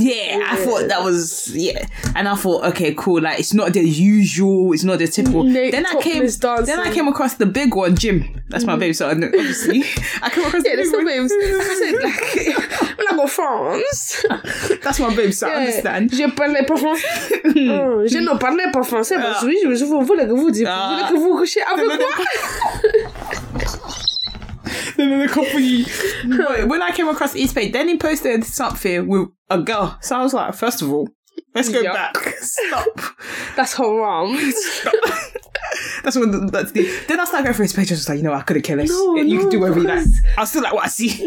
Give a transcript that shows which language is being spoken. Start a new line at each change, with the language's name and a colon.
English: Yeah, I thought that was, and I thought, okay, cool, like, it's not the usual, it's not the typical. I came across the big one, Jim. That's my babe, so I know, obviously. I came across the big one. Yeah, that's my babe. I said, like, when I go France. That's my babe, so I understand.
French: Je parlais pas français. Je ne parlais pas français, parce que je voulais que vous dites, vous voulez que vous couchez avec moi.
English: Then the company. When I came across East Bay, then he posted something with a girl. So I was like, first of all, let's go back. Stop. That's haram. That's when that's the. Then I started going through his page. I was like, you know what? I couldn't care less. You can do whatever you like. I'll still like what I see.